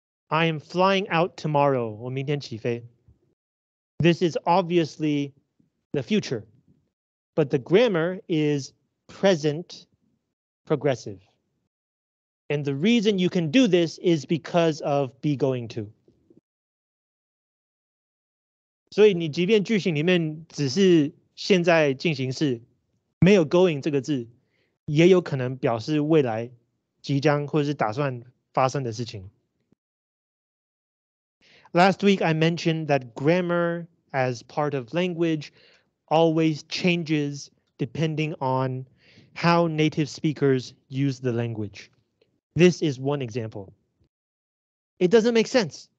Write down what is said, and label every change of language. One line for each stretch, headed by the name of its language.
English: I am flying out tomorrow,
Chinese: 我明天起飞.
English: This is obviously the future. But the grammar is present progressive. And the reason you can do this is because of be going to.
Chinese: 所以你即便句型里面只是现在进行式, 没有going这个字, 也有可能表示未来即将或是打算发生的事情.
English: Last week I mentioned that grammar as part of language always changes depending on how native speakers use the language. This is one example. It doesn't make sense.